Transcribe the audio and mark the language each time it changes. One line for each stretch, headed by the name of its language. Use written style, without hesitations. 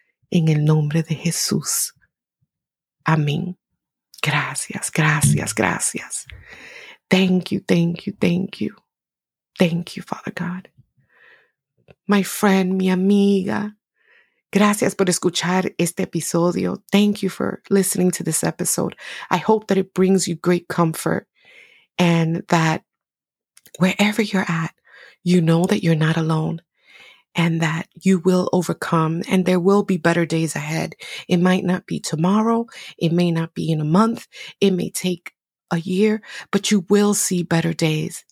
Spanish: En el nombre de Jesús. Amén. Gracias, gracias, gracias.
English: Thank you, thank you, thank you. Thank you, Father God. My friend,
Spanish: mi amiga, Gracias por escuchar este episodio.
English: Thank you for listening to this episode. I hope that it brings you great comfort and that wherever you're at, you know that you're not alone and that you will overcome and there will be better days ahead. It might not be tomorrow. It may not be in a month. It may take a year, but you will see better days.